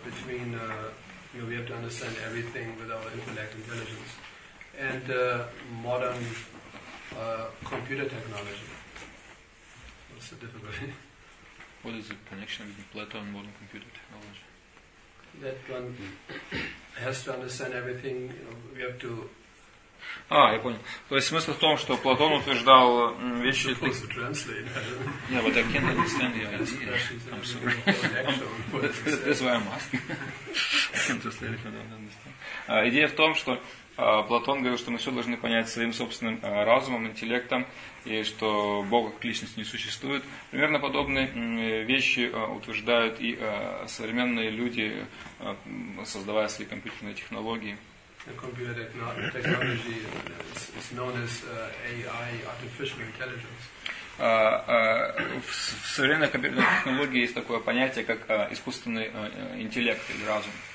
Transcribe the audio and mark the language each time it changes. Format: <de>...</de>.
<en>Between we have to understand everything with our intellect, intelligence, and modern computer technology. What's the difficulty? What is the connection between Plato and modern computer technology? That one has to understand everything. You know, we have to</en> <ru>А, я понял. То есть смысл в том, что Платон утверждал вещи...</ru> <en>You're supposed to translate. Yeah, but I can't understand your idea. I'm sorry. That's why I'm asking. I can't translate if I don't understand.</en> <ru>Идея в том, что Платон говорил, что мы все должны понять своим собственным разумом, интеллектом, и что Бог как личность не существует. Примерно подобные вещи утверждают и современные люди, создавая свои компьютерные технологии.</ru> <en>The computer technology is known as AI, artificial intelligence.</en> <ru>В современной компьютерной технологии есть такое понятие, как искусственный интеллект или разум.</ru>